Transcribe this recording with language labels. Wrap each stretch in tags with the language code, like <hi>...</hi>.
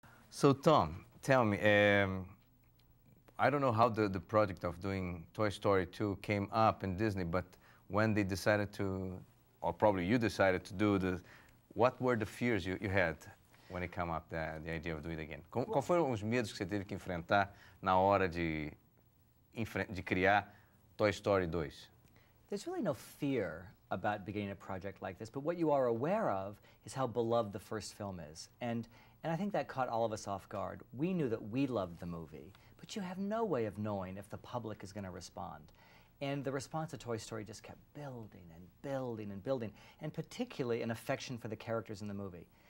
<en>So Tom, tell me, I don't know how the project of doing Toy Story 2 came up in Disney, but when they decided to, or probably you decided to do the, what were the fears you had when it came up, the idea of doing it again?</en> <pt>Qual foram os medos que você teve que enfrentar na hora de criar Toy Story 2?</pt> <en>There's really no fear about beginning a project like this, but what you are aware of is how beloved the first film is. And I think that caught all of us off guard. We knew that we loved the movie, but you have no way of knowing if the public is going to respond. And the response to Toy Story just kept building and building and building, and particularly an affection for the characters in the movie.</en>